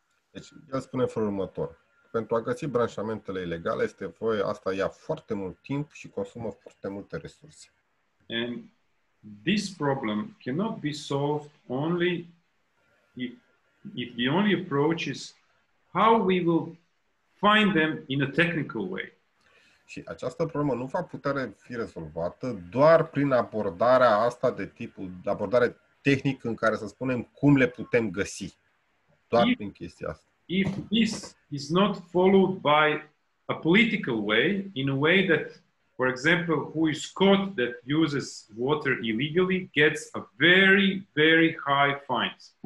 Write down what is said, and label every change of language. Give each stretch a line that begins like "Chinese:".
Romanian: Deci, eu spun în felul următor. Pentru a găsi branșamentele ilegale, este voie, asta ia foarte mult timp și consumă foarte multe resurse.
English: And this problem cannot be solved only if the only approach is how we will find them in a technical way.
Romanian: Și această problemă nu va putea fi rezolvată doar prin abordarea asta de tipul de abordare tehnică în care să spunem cum le putem găsi. Doar prin chestia asta.
English: If this is not followed by a political way in a way that for example, who is caught that uses water illegally gets a very, very high fine.